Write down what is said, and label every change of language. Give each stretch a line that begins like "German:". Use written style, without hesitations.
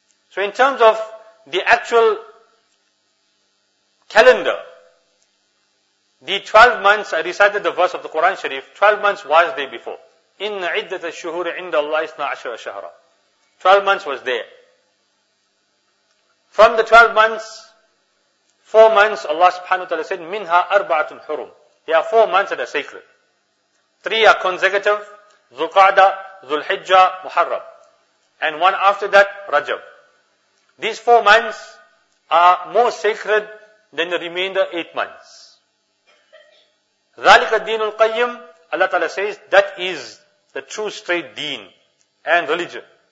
English: So in terms of the actual calendar, the 12 months, I recited the verse of the Quran Sharif, 12 months was there before.
Arabic: إِنَّ عِدَّةَ الشُّهُورِ عِنْدَ اللَّهِ اثْنَا عَشْرَ شَهْرًا.
English: 12 months was there. From the 12 months, 4 months, Allah subhanahu wa ta'ala said,
Arabic: مِنْهَا أَرْبَعَةٌ حُرُمٌ.
English: There are 4 months that are sacred. 3 are consecutive, ذُلْقَعْدَةَ ذُلْحِجَّةَ مُحَرَّمْ. And one after that, Rajab. These 4 months are more sacred than the remainder 8 months.
Arabic: ذَلِكَ الدِّينُ الْقَيِّمُ.
English: Allah Ta'ala says, that is the true straight deen and religion.